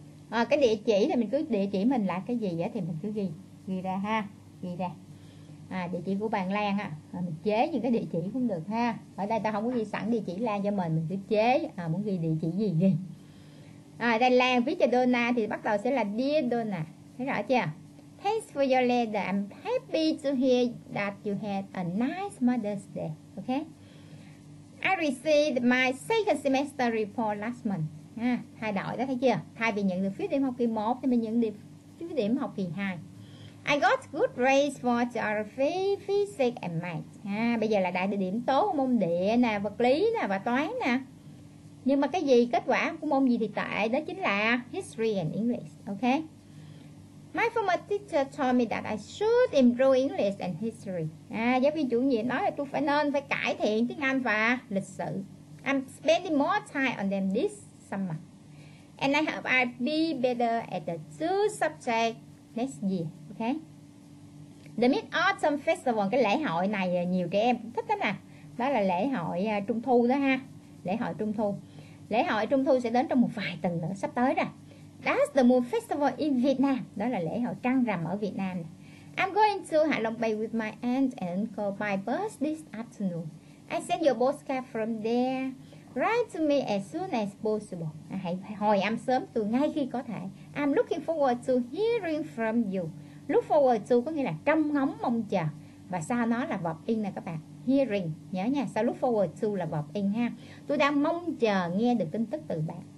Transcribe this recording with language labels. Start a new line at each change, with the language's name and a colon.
Vietnamese: Cái địa chỉ thì mình cứ địa chỉ mình là cái gì á thì mình cứ ghi ra ha, ghi ra. Địa chỉ của bạn Lan á, mình chế những cái địa chỉ cũng được ha. Ở đây ta không có ghi sẵn địa chỉ Lan cho mình cứ chế muốn ghi địa chỉ gì ghi. Đây Lan viết cho Donna thì bắt đầu sẽ là Dear Donna. Thấy rõ chưa?
English: Thanks for your letter. I'm happy to hear that you had a nice Mother's Day. Okay? I received my second semester report last month.
Vietnamese: Thay đổi đó, thấy chưa? Thay vì nhận được phiếu điểm học kỳ 1 thì mình nhận được phiếu điểm học kỳ 2.
English: I got good grades for geography, physics and math.
Vietnamese: Bây giờ là đạt được điểm tốt môn địa nè, vật lý nè và toán nè. Nhưng mà cái gì kết quả của môn gì thì tệ, đó chính là
English: history and English. Okay? My former teacher told me that I should improve English and history.
Vietnamese: Giáo viên chủ nhiệm nói là tôi phải cải thiện tiếng Anh và lịch sử.
English: I'm spending more time on them this summer. And I hope I'll be better at the two subjects next year. Okay? The Mid-Autumn Festival,
Vietnamese: cái lễ hội này nhiều trẻ em thích lắm nè. Đó là lễ hội Trung Thu đó ha. Lễ hội Trung Thu. Lễ hội Trung Thu sẽ đến trong một vài tuần nữa, sắp tới rồi.
English: That's the Moon Festival in Vietnam.
Vietnamese: Đó là lễ hội trăng rằm ở Việt Nam.
English: I'm going to Hạ Long Bay with my aunt and uncle by bus this afternoon. I send your postcard from there. Write to me as soon as possible.
Vietnamese: Hãy hồi âm sớm tôi ngay khi có thể.
English: I'm looking forward to hearing from you. Look forward to
Vietnamese: có nghĩa là trông ngóng mong chờ. Và sau nó là verb in nè các bạn. Hearing, nhớ nha. Sau look forward to là verb in ha. Tôi đang mong chờ nghe được tin tức từ bạn.